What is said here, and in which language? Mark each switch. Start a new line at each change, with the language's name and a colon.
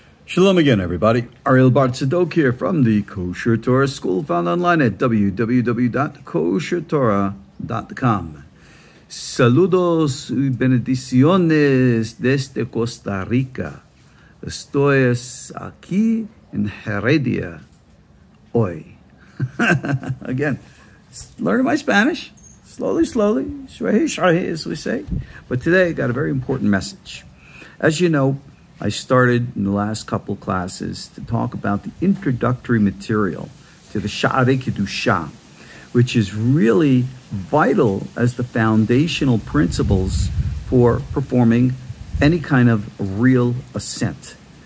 English: Shalom again, everybody. Ariel Bar Tzadok here from the Kosher Torah School, found online at www.koshertorah.com.
Spanish: Saludos y bendiciones desde Costa Rica. Estoy aquí en Heredia hoy.
English: Again, learning my Spanish slowly, Sha'arei, as we say. But today I got a very important message. As you know, I started in the last couple classes to talk about the introductory material to the Sha'arei Kedusha, which is really vital as the foundational principles for performing any kind of real ascent.